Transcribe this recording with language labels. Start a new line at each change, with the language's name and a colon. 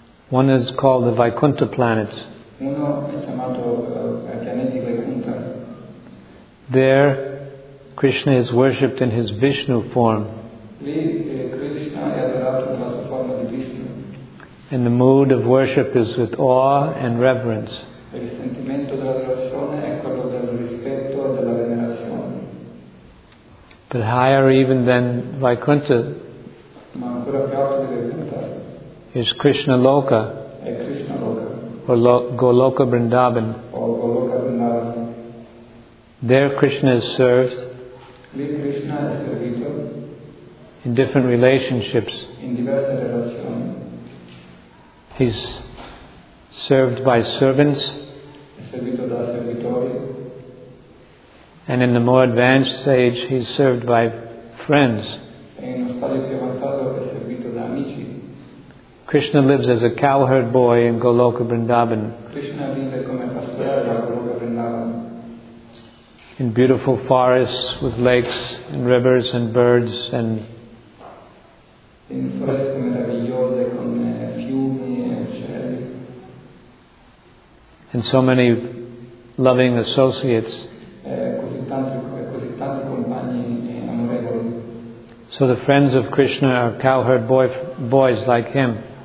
English: One is called the Vaikuntha planets.
Italian: Uno è chiamato pianeti Vaikuntha.
English: There, Krishna is worshipped in his Vishnu form.
Italian: Lì, Krishna è adorato nella sua forma di Vishnu.
English: And the mood of worship is with awe and reverence.
Italian: Il sentimento dell'adorazione è quello del rispetto e della venerazione.
English: But higher even than Vaikuntha.
Italian: Ma ancora più alto di Vaikuntha.
English: Is Krishna Loka,
Italian: Krishna Loka.
English: Or Goloka Vrindavan.
Italian: Or Goloka Vrindavan.
English: There Krishna is served.
Italian: Lì Krishna è servito.
English: In different relationships.
Italian: In diverse relazioni.
English: He's served by servants.
Italian: È servito da servitori.
English: And in the more advanced stage, he's served by friends.
Italian: E in uno stadio più avanzato è servito da amici.
English: Krishna lives as a cowherd boy in Goloka Vrindavan.
Italian: Krishna vive come pastore a Goloka Vrindavan.
English: In beautiful forests with lakes and rivers and birds and
Italian: in foreste meravigliose con fiumi e uccelli.
English: And so many loving associates.
Italian: Così tanti compagni amorevoli.
English: So the friends of Krishna are cowherd boys like him.